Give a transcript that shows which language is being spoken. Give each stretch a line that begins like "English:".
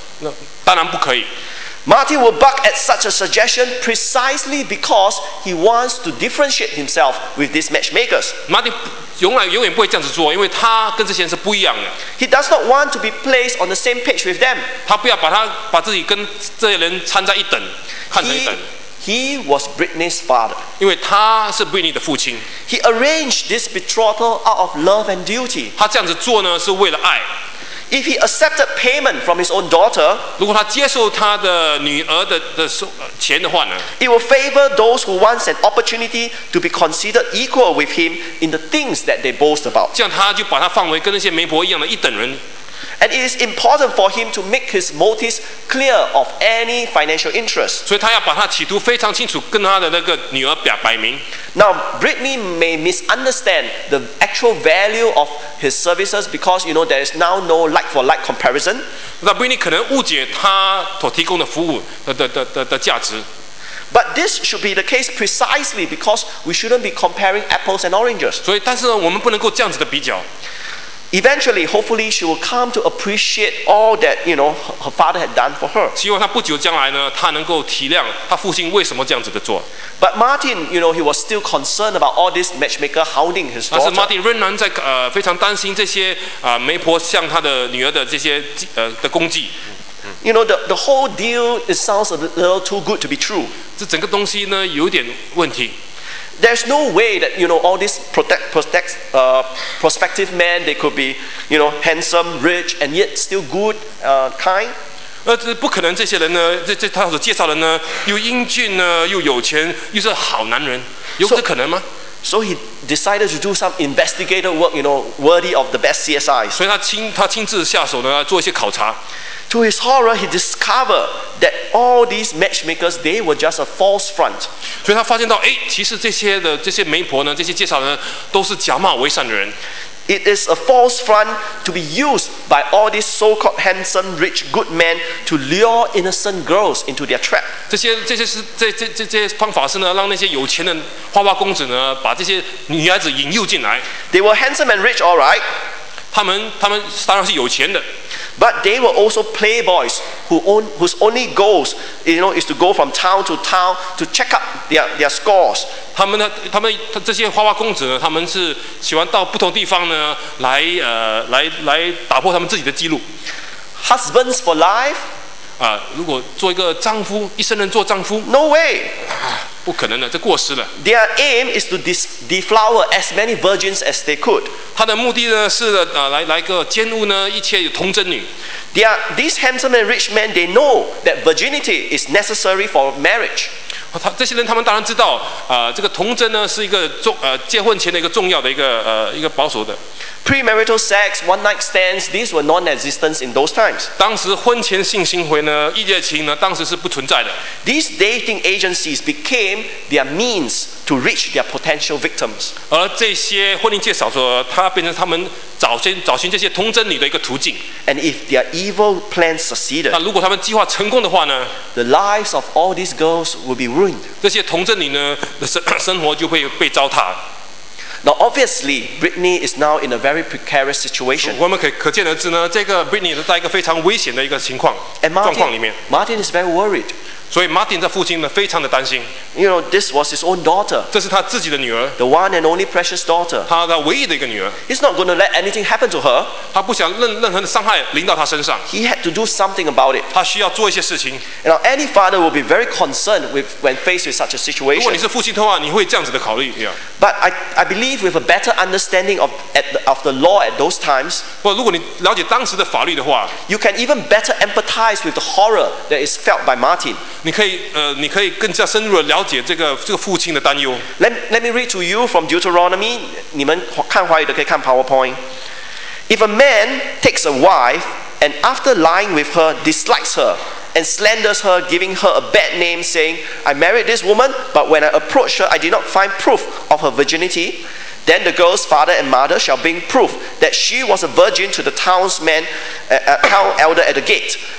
Chinese: 那当然不可以。
English: Martin will buck at such a suggestion precisely because he wants to differentiate himself with these matchmakers.
Chinese: Martin 永远不会这样子做，因为他跟这些人是不一样的。
English: He does not want to be placed on the same page with them.
Chinese: 他不要把自己跟这些人掺在一等，看成一等。
English: He was Britney's father.
Chinese: 因为他是Britney的父亲。
English: He arranged this betrothal out of love and duty.
Chinese: 他这样子做呢，是为了爱。
English: If he accepted payment from his own daughter,
Chinese: 如果他接受他的女儿的钱的话呢,
English: it will favor those who want an opportunity to be considered equal with him in the things that they boast about.
Chinese: 这样他就把他放为跟那些媒婆一样的一等人。
English: And it is important for him to make his motives clear of any financial interest.
Chinese: 所以他要把他企图非常清楚跟他的那个女儿表明。
English: Now, Britney may misunderstand the actual value of his services because, you know, there is now no like-for-like comparison.
Chinese: 那 Britney 可能误解他所提供的服务的价值。
English: But this should be the case precisely because we shouldn't be comparing apples and oranges.
Chinese: 所以，但是呢，我们不能够这样子的比较。
English: Eventually, hopefully, she will come to appreciate all that, you know, her father had done for her.
Chinese: 希望她不久将来呢，她能够体谅她父亲为什么这样子的做。
English: But Martin, you know, he was still concerned about all this matchmaker hounding his daughter.
Chinese: 但是Martin仍然在非常担心这些媒婆向他的女儿的这些的攻击。
English: You know, the whole deal, it sounds a little too good to be true.
Chinese: 这整个东西呢，有点问题。
English: There's no way that, you know, all these prospective men, they could be, you know, handsome, rich, and yet still good, kind.
Chinese: 这不可能，这些人呢，这他所介绍的呢，又英俊呢，又有钱，又是好男人，有这可能吗？
English: So he decided to do some investigative work, you know, worthy of the best CSI.
Chinese: 所以他亲自下手呢，做一些考察。
English: To his horror, he discovered that all these matchmakers, they were just a false front.
Chinese: 所以他发现到，哎，其实这些媒婆呢，这些介绍人都是假冒伪善的人。
English: It is a false front to be used by all these so-called handsome, rich, good men to lure innocent girls into their trap.
Chinese: 这些方法是呢，让那些有钱的花花公子呢，把这些女孩子引诱进来。
English: They were handsome and rich, all right.
Chinese: 他们当然是有钱的。
English: But they were also playboys whose only goals, you know, is to go from town to town to check up their scores.
Chinese: 他们这些花花公子呢，他们是喜欢到不同地方呢，来打破他们自己的记录。
English: Husbands for life.
Chinese: 如果做一个丈夫，一生人做丈夫。
English: No way.
Chinese: 不可能的，这过时了。
English: Their aim is to deflower as many virgins as they could.
Chinese: 他的目的呢是来个奸污呢一切童贞女。
English: These handsome and rich men, they know that virginity is necessary for marriage.
Chinese: 这些人他们当然知道，这个童贞呢是一个结婚前的一个重要的一个保守的。
English: Premarital sex, one-night stands, these were non-existent in those times.
Chinese: 当时婚前性行为呢，一夜情呢，当时是不存在的。
English: These dating agencies became their means to reach their potential victims.
Chinese: 而这些婚姻介绍所，它变成他们找寻这些童贞女的一个途径。
English: And if their evil plan succeeded,
Chinese: 那如果他们计划成功的话呢
English: ？The lives of all these girls would be ruined.
Chinese: 这些童贞女呢的生活就会被糟蹋。
English: Now, obviously, Britney is now in a very precarious situation.
Chinese: 我们可见而知呢，这个 Britney 是在一个非常危险的一个情况
English: and Martin,
Chinese: 状况里面。
English: Martin is very worried.
Chinese: 所以 Martin 的父亲呢，非常的担心。
English: You know, this was his own daughter.
Chinese: 这是他自己的女儿。
English: The one and only precious daughter.
Chinese: 他的唯一的一个女儿。
English: He's not going to let anything happen to her.
Chinese: 他不想任何的伤害临到他身上。
English: He had to do something about it.
Chinese: 他需要做一些事情。
English: And now, any father will be very concerned when faced with such a situation.
Chinese: 如果你是父亲的话，你会这样子的考虑。
English: But I believe. With a better understanding of the law at those times,
Chinese: 不，如果你了解当时的法律的话
English: ，you can even better empathize with the horror that is felt by Martin.
Chinese: 你可以更加深入的了解这个父亲的担忧。
English: Let me read to you from Deuteronomy.
Chinese: 你们看华语的可以看 PowerPoint.
English: If a man takes a wife and after lying with her dislikes her. And slanders her, giving her a bad name, saying, I married this woman, but when I approached her, I did not find proof of her virginity. Then the girl's father and mother shall bring proof that she was a virgin to the townsman, town elder at the gate.